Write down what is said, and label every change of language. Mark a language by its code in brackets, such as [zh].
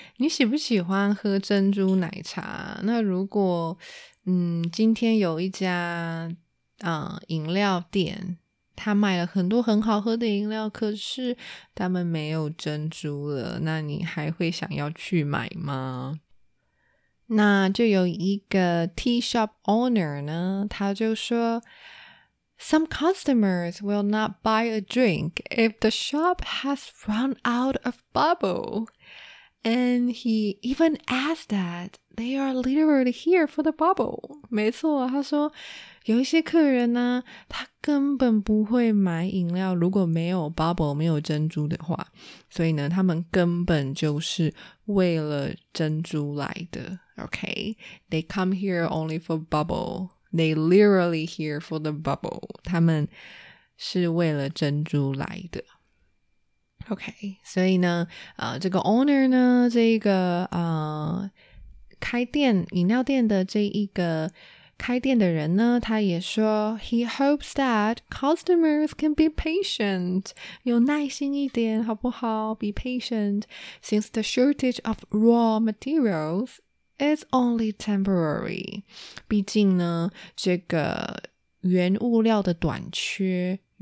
[zh] 你喜不喜欢喝珍珠奶茶？那如果今天有一家饮料店，他卖了很多很好喝的饮料，可是他们没有珍珠了，那你还会想要去买吗？那就有一个 [en] tea shop owner [zh] 呢，他就说 [en] Some customers will not buy a drink if the shop has run out of bubble. And he even asked that they are literally here for the bubble. [zh] 没错，他说有一些客人呢，他根本不会买饮料，如果没有 bubble, 没有珍珠的话。所以呢，他们根本就是为了珍珠来的。 [en] Okay, they come here only for bubble. They literally here for the bubble. [zh] 他们是为了珍珠来的。 OK, 所以呢这个 owner 呢这一个开店饮料店的这一个开店的人呢他也说 [en] He hopes that customers can be patient. [zh] 有耐心一点好不好 [en] Be patient. Since the shortage of raw materials,It's only temporary. [zh] 毕竟呢，这个原物料的短缺，